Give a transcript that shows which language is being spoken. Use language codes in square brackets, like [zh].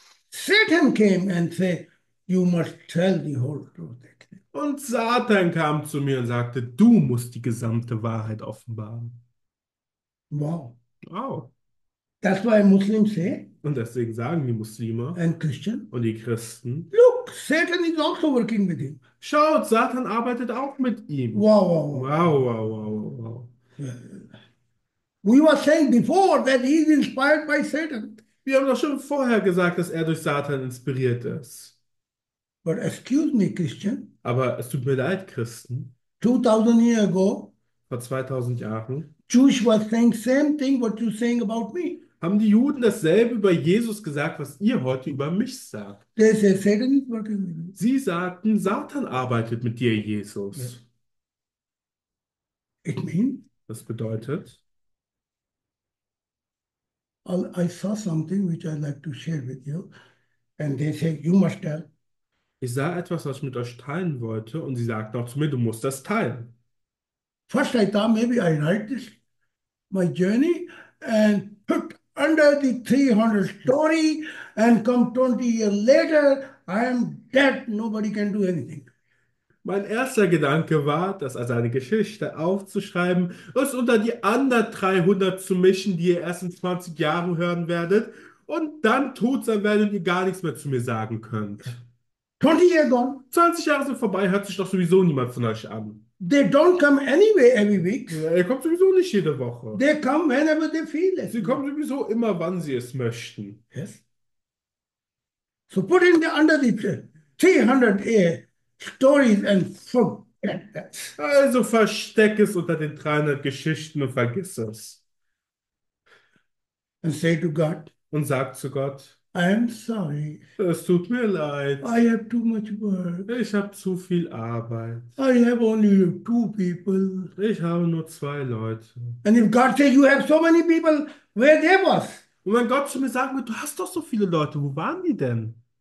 [en] Satan came and said, you must tell the whole truth. [de] Und Satan kam zu mir und sagte, du musst die gesamte Wahrheit offenbaren. [en] Wow. [de] Wow. [en] That's why Muslims say, [de] Und deswegen sagen die Muslime [en] and Christian, [de] und die Christen, [en] look, Satan is also working with him. [de] schaut, Satan arbeitet auch mit ihm. Wow. [en] We were saying before that he is inspired by Satan. [de] Wir haben doch schon vorher gesagt, dass er durch Satan inspiriert ist. [en] But excuse me, Christian. [de] Aber es tut mir leid, Christen. [en] 2000 years ago, [de] Vor 2000 Jahren [en] Jewish was saying same thing what you're saying about me. [de] haben die Juden dasselbe über Jesus gesagt, was ihr heute über mich sagt. [en] They say Satan is working [de] Sie sagten, Satan arbeitet mit dir, Jesus. [en] with me. It means [de] Das bedeutet, [en] I saw something which I'd like to share with you, and they say you must tell. [de] ich sah etwas, was ich mit euch teilen wollte, und sie sagte auch zu mir, du musst das teilen. [en] First I thought maybe I write this, my journey, and put under the 300 story, and come 20 years later, I am dead, nobody can do anything. [de] Mein erster Gedanke war, das als eine Geschichte aufzuschreiben, es unter die anderen 300 zu mischen, die ihr erst in 20 Jahren hören werdet, und dann tot sein werdet und ihr gar nichts mehr zu mir sagen könnt. [en] 20 years gone. [de] 20 Jahre sind vorbei, hört sich doch sowieso niemand von euch an. [en] They don't come anyway every week. [de] Er kommt sowieso nicht jede Woche. [en] They come whenever they feel it. [de] Sie kommen sowieso immer, wann sie es möchten. [en] Yes. So put in the under the 300 stories and forget that. [de] Also versteck es unter den 300 Geschichten und vergiss es. [en] And say to God, [de] Und sag zu Gott, [en] I am sorry. [de] es tut mir [en] I [de] leid. [en] have too much work. [de] Ich habe zu viel Arbeit. [en] I have only two people. [de] Ich habe nur zwei Leute. Und [en] And if God says you have so many people, where they was? [de] wenn Gott zu mir sagen würde, du hast doch so viele Leute, wo waren die denn?